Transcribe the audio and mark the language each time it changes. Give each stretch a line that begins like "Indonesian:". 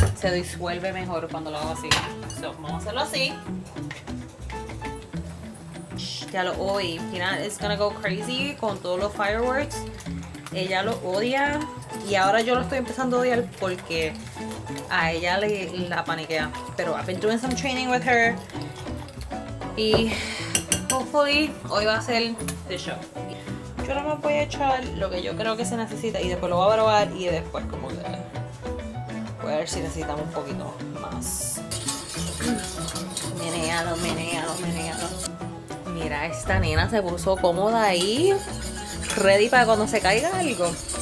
Spanish: Se disuelve mejor cuando lo hago así.
English: So,
Spanish: vamos a hacerlo así. Ya lo oí.
English: Pina is gonna go crazy
Spanish: con todos los fireworks. Ella lo odia y ahora yo lo estoy empezando a odiar porque a ella le la paniquea. Pero
English: I've been doing some training with her.
Spanish: Y
English: hopefully
Spanish: hoy va a ser
English: the show.
Spanish: Yo ahora me voy a echar lo que yo creo que se necesita y después lo voy a probar y después como que voy a ver si necesitamos un poquito más. Menealo, menealo, menealo. Mira, esta nena se puso cómoda ahí, ready para cuando se caiga algo.